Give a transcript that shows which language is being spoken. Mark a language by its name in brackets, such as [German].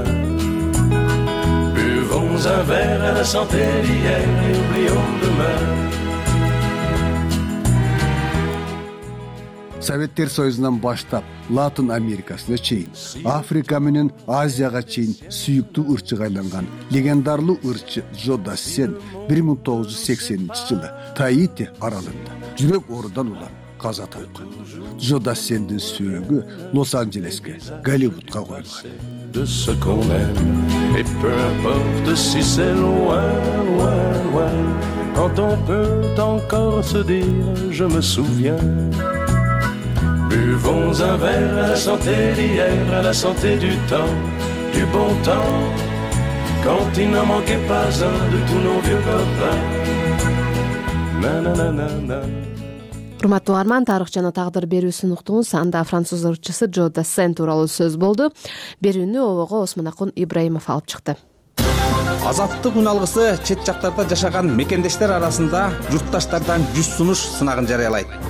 [French] Buvons un verre à la santé d'hier et oublions demain. [Kyrgyz] Советтер Союзунан баштап Латын Америкасына чейин, Африка менен Азияга чейин сүйүктүү ырчыга айланган легендарлуу ырчы Джо Дассен 1980 жылы Таити аралында жүрөк оорудан улам каза тапкан. Джо Дассендин сүйөгү Лос-Анжелеске, Голливудка коюлган. [French] De ce qu'on aime, et peu importe si c'est loin, loin, loin, quand on peut encore se dire je me souviens. Buvons un verre à la santé d'hier, à la santé du temps, du bon temps, quand il n'en manquait pas un de tous nos vieux copains. Nanananana. [Kyrgyz] Урматтуу арман, тарых жана тагдыр берүүсүн уктуңуз. Анда француз ырчысы Джо Дассен тууралуу сөз болду. Берүүнү обого Осмонакун Ибраимов алып чыкты. Азаттык үналгысы чет жактарда жашаган мекендештер арасында журтташтардан жүз сунуш сынагын жарыялайт.